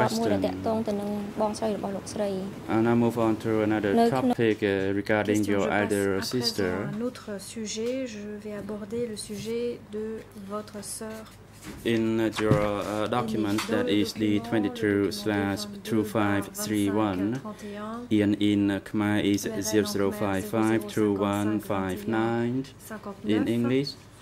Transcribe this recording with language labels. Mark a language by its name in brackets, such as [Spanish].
[English] And I move on to another topic regarding your elder sister. [French] Un autre sujet, je vais aborder le sujet de votre sœur. [English] In your document, that is the 22/2531, and in Khmer is 0552159 in English.